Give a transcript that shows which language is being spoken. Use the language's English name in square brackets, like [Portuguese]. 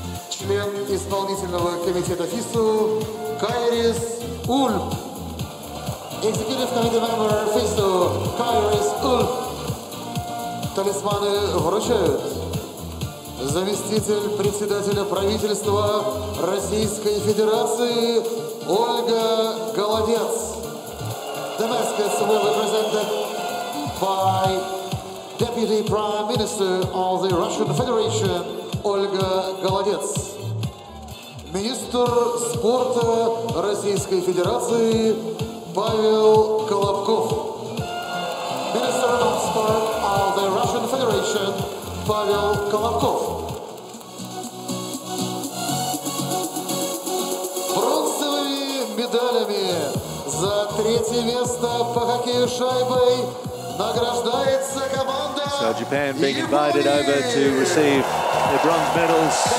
[Russian] Член исполнительного комитета ФИСУ Kairis Ulp, [English] Executive Committee Member FISU, [Russian] Kairis Ulp. Талисманы вручают. Заместитель председателя правительства Российской Федерации Ольга Голодец. [English] The mascots will be presented by Deputy Prime Minister of the Russian Federation, Ольга Голодец. [Russian] Министр спорта Российской Федерации Павел Колобков. [English] Minister of Sport of the Russian Federation Павел Колобков. [Russian] Бронзовыми медалями за третье место по хоккею шайбой награждается команда. [English] So Japan being invited over to receive the bronze medals.